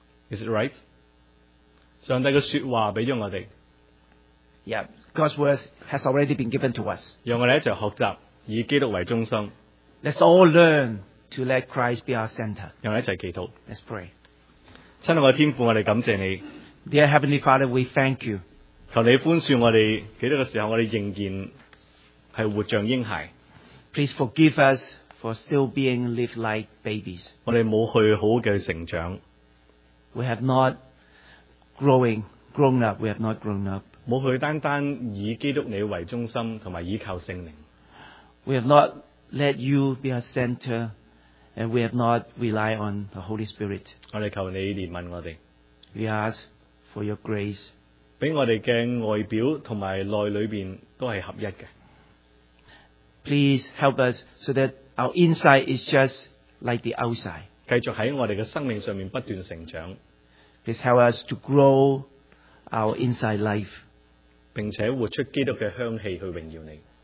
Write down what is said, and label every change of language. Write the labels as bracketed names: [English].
[English] Is it right? [Cantonese] 上帝嘅说话俾咗我哋。 [English] Yeah, God's word has already been given to us. [Cantonese] 让我哋一齐学习以基督为中心。 [English] Let's all learn to let Christ be our center. [Cantonese] 让我哋一齐祈祷。 [English] Let's pray. [Cantonese] 亲爱的天父，我哋感谢你。 [English] Dear Heavenly Father, we thank you. [Cantonese] 求你宽恕我哋，几多个时候我哋仍然系活像婴孩。 [English] Please forgive us for still being live like babies。 [Cantonese] 我哋冇去好嘅成长。 [English] We have not grown up. We have not grown up。 [Cantonese] 冇去单单以基督你为中心，同埋依靠圣灵。 [English] We have not let you be our center, and we have not rely on the Holy Spirit。 [Cantonese] 我哋求你怜悯我哋。 [English] We ask for your grace. [Cantonese] 俾我哋嘅外表同埋内里边都系合一嘅。 [English] Please help us so that our inside is just like the outside。 [Cantonese] 继续喺我哋嘅生命上面不断成长。 [English] Please help us to grow our inside life， [Cantonese] 并且活出基督嘅香气去荣耀你。